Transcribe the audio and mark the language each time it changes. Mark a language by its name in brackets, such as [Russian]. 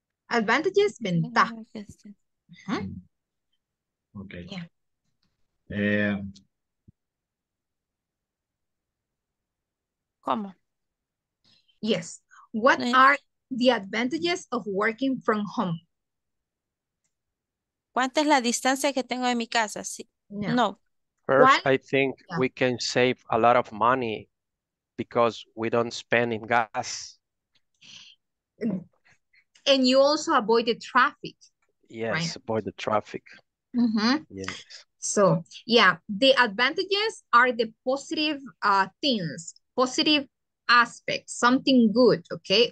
[English] Advantages, ventajas. Okay. Yeah. Come on. Yes. What are the advantages of working from home? [Spanish] ¿Cuánta es la distancia que tengo de mi casa? Sí. No. [English] First, I think we can save a lot of money because we don't spend in gas. And you also avoid the traffic. Yes, right? Avoid the traffic. Mm-hmm. Yes. So, yeah, the advantages are the positive things, positive aspect, something good, okay?